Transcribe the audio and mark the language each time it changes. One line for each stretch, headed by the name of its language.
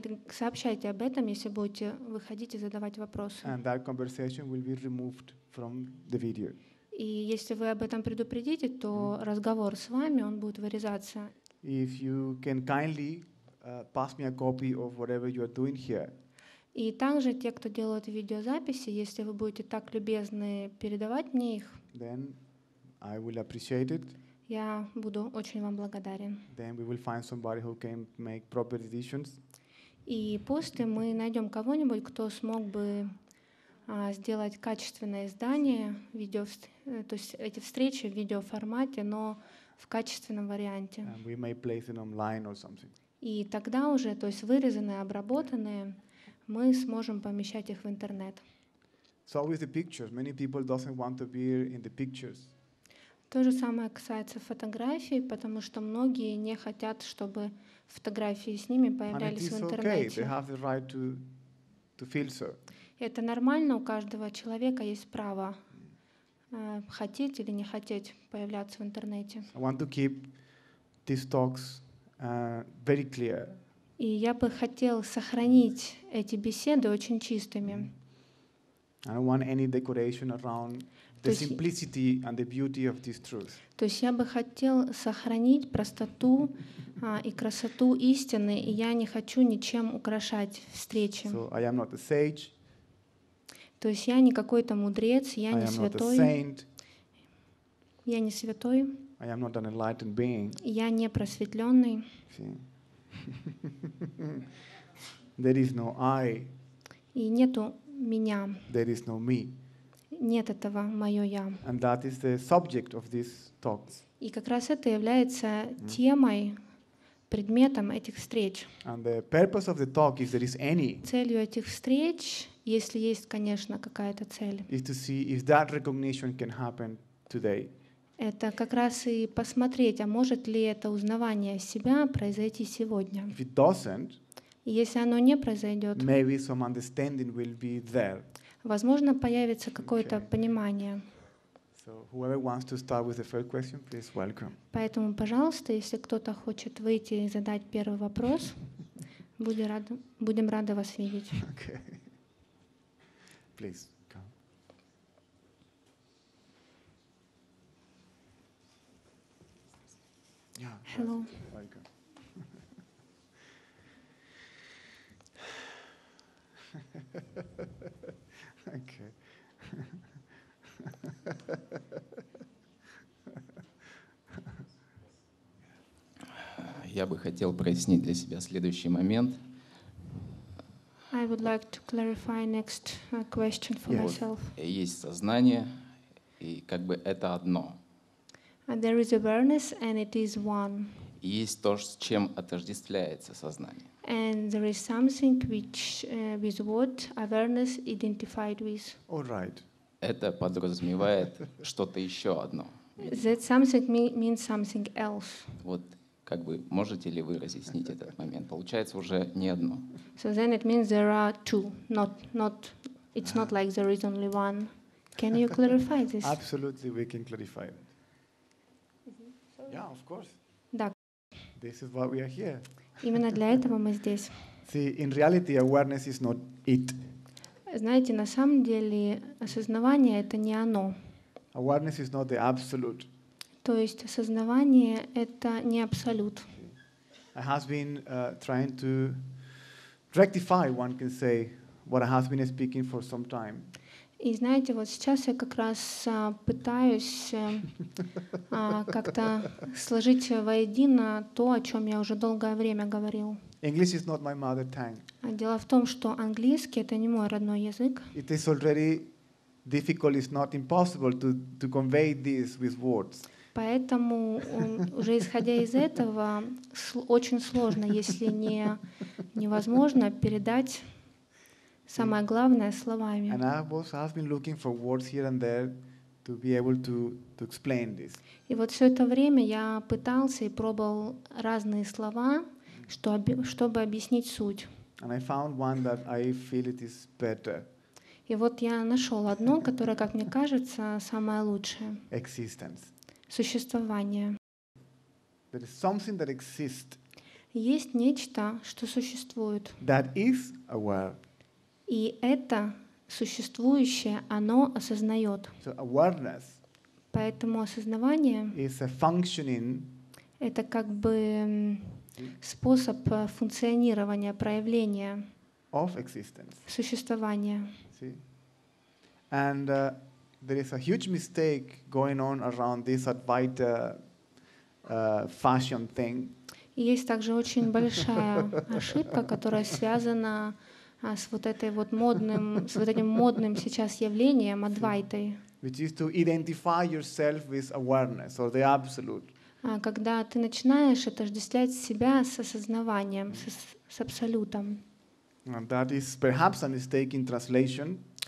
Russian: Сообщайте об этом, если будете выходить и задавать вопросы.
English: And that conversation will be removed from the video.
Russian: И если вы об этом предупредите, то разговор с вами, он будет вырезаться.
English: If you can kindly pass me a copy of whatever you are doing here.
Russian: И также те, кто делают видеозаписи, если вы будете так любезны передавать мне их,
English: then I will appreciate it.
Russian: Я буду очень вам благодарен.
English: Then we will find somebody who can make proper editions.
Russian: И после мы найдем кого-нибудь, кто смог бы сделать качественное издание видео, то есть эти встречи в видеоформате, но в качественном варианте.
English: And we may place it online or something.
Russian: И тогда уже, то есть вырезанные, обработанные, мы сможем помещать их в интернет.
English: So with the pictures, many people doesn't want to be in the pictures.
Russian: То же самое касается фотографий, потому что многие не хотят, чтобы фотографии с ними появлялись в интернете.
English: And it is okay. They have the right to feel so.
Russian: Это нормально, у каждого человека есть право хотеть или не хотеть появляться в интернете.
English: I want to keep these talks very clear.
Russian: И я бы хотел сохранить эти беседы очень чистыми.
English: I don't want any decoration around the simplicity and the beauty of this truth.
Russian: То есть я бы хотел сохранить простоту и красоту истины, и я не хочу ничем украшать встречи.
English: So I am not a sage.
Russian: То есть я не какой-то мудрец, я не святой. Я не святой.
English: I am not an enlightened being.
Russian: Я не просветленный.
English: There is no I.
Russian: И нету меня.
English: There is no me.
Russian: Нет этого мое я.
English: And that is the subject of these talks.
Russian: И как раз это является темой, предметом этих встреч.
English: And the purpose of the talk, if there is any.
Russian: Целью этих встреч, если есть, конечно, какая-то цель.
English: Is to see if that recognition can happen today.
Russian: Это как раз и посмотреть, а может ли это узнавание себя произойти сегодня.
English: If it doesn't,
Russian: если оно не произойдет,
English: maybe some understanding will be there.
Russian: Возможно, появится какое-то понимание.
English: So whoever wants to start with the first question, please welcome.
Russian: Поэтому, пожалуйста, если кто-то хочет выйти и задать первый вопрос, будем рады вас видеть.
English: Okay. Please. Yeah, hello. Okay.
Russian: Я бы хотел прояснить для себя следующий момент.
English: I would like to clarify next question for myself.
Russian: Есть сознание, и как бы это одно.
English: And there is awareness, and it is one.
Russian: И есть то, с чем отождествляется сознание.
English: And there is something which with what awareness identified with. All right.
Russian: Это подразумевает что-то еще одно.
English: That something means something else.
Russian: Вот как бы можете ли вы разъяснить этот момент? Получается уже не одно.
English: So then it means there are two, not it's not like there is only one. Can you clarify this? Absolutely, we can clarify it. Yeah, of course.
Russian: Да.
English: This is why we are here.
Russian: Именно для этого мы здесь.
English: See, in reality, awareness is not it.
Russian: Знаете, на самом деле осознавание — это не оно.
English: Awareness is not the absolute.
Russian: То есть осознавание — это не абсолют.
English: I have been trying to rectify, one can say, what I have been speaking for some time.
Russian: И знаете, вот сейчас я как раз пытаюсь как-то сложить воедино то, о чем я уже долгое время говорил.
English: English is not my mother tongue.
Russian: Дело в том, что английский — это не мой родной язык.
English: It is already difficult, it's not impossible to convey this with words.
Russian: Поэтому уже исходя из этого очень сложно, если невозможно, передать самое главное словами.
English: And I've been looking for words here and there to be able to explain this.
Russian: И вот все это время я пытался и пробовал разные слова, чтобы объяснить суть.
English: And I found one that I feel it is better.
Russian: И вот я нашел одно, которое, как мне кажется, самое лучшее.
English: Existence.
Russian: Существование.
English: There is something that exists.
Russian: Есть нечто, что существует.
English: That is aware.
Russian: И это существующее, оно осознает.
English: So awareness.
Russian: Поэтому осознавание —
English: is a functioning.
Russian: Это как бы способ функционирования, проявления
English: of existence.
Russian: Существования.
English: See? And there is a huge mistake going on around this Advaita fashion thing.
Russian: Есть также очень большая ошибка, которая связана с вот этой вот модным, с вот этим модным сейчас явлением адвайтой.
English: Which is to identify yourself with awareness or the absolute.
Russian: Когда ты начинаешь отождествлять себя с осознаванием, с абсолютом.
English: And that is perhaps a mistake in translation.